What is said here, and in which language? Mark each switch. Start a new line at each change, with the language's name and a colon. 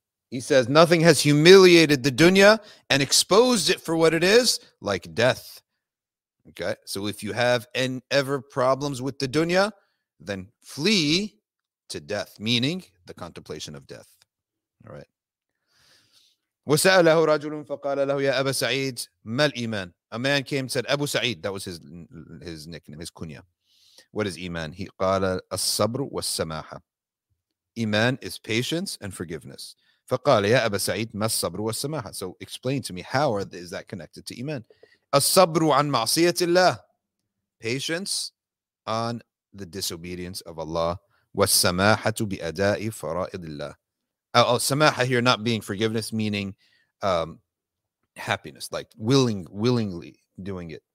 English: He says, nothing has humiliated the dunya and exposed it for what it is, like death. Okay, so if you have any ever problems with the dunya, then flee to death, meaning the contemplation of death. All right.
Arabic: وسأله رجل فقال له يا أبا سعيد ما الإيمان.
English: A man came and said, Abu Sa'id, that was his nickname, his kunya. What is Iman?
Arabic: He قال الصبر والسماحة.
English: Iman is patience and forgiveness.
Arabic: فقال يا أبا سعيد ما الصبر والسماحة.
English: So explain to me, how is that connected to Iman?
Arabic: As-sabru an ma'siyatillah.
English: Patience on the disobedience of Allah.
Arabic: Was-samahatu bi-adai fara'idillah.
English: Samaha here not being forgiveness, meaning happiness, like willingly doing it.